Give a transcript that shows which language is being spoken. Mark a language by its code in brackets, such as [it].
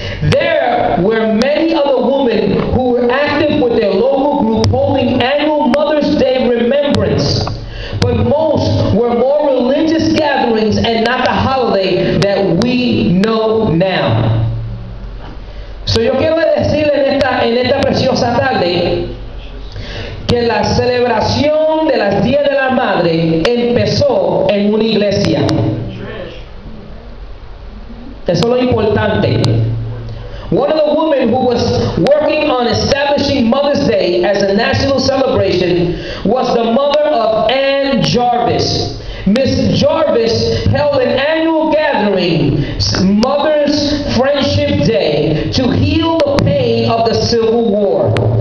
[en] There were many other women who were active with their local group holding annual Mother's Day remembrance, but most were more religious gatherings and not the holiday that we know now. [es] So yo quiero decir en esta preciosa tarde que la celebración de las Días de la Madre empezó en una iglesia. Eso es lo importante. [en] One of the women who was working on establishing Mother's Day as a national celebration was the mother of Ann Jarvis. Miss Jarvis held an annual gathering, Mother's Friendship Day, to heal the pain of the Civil War.